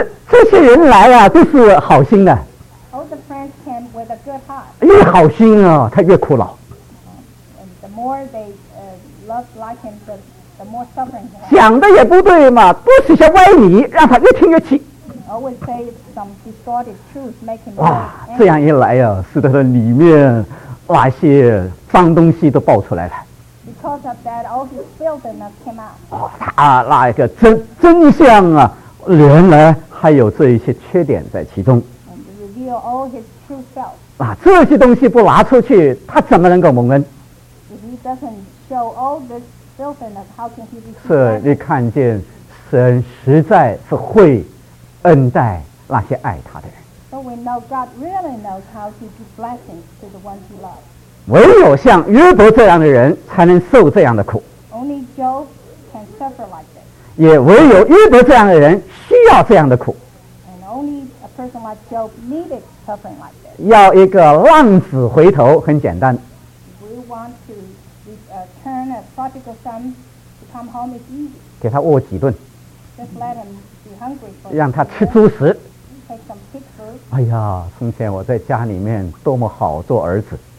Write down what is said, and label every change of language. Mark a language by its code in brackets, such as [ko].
[zh] 这些人来啊都是好心的。 [en] All the friends came with a good heart. [zh] 越好心啊，他越苦恼。 [en] The more they love like him, the more suffering. [zh] 讲的也不对嘛，都是些歪理，让他越听越气。 [en] Always say some distorted truth, make him. [zh] 哇，这样一来啊，使得他里面那些脏东西都爆出来了。 [en] Because of that, all his filthiness came out. [zh] 哦，那个真相啊，原来还有这一些缺点在其中。 [en] Reveal all his true self. [zh] 啊，这些东西不拿出去，他怎么能够蒙恩？ [en] If he doesn't show all this filthiness, how can he be? [zh] 是，你看见神实在是会恩待那些爱他的人。 [en] So we know God really knows how to give blessings to the ones he loves. [zh] 唯有像约伯这样的人才能受这样的苦。 [en] Only Job can suffer like this. [zh] 也唯有约伯这样的人需要这样的苦。 [en] And only a person like Job needed suffering like this. [zh] 要一个浪子回头很简单。 [en] If we want to return a prodigal son to come home, it's easy. [zh] 给他饿几顿。 [en] Just let him be hungry for. [zh] 让他吃猪食。 [en] Take some pig food. [zh] 哎呀，从前我在家里面多么好做儿子。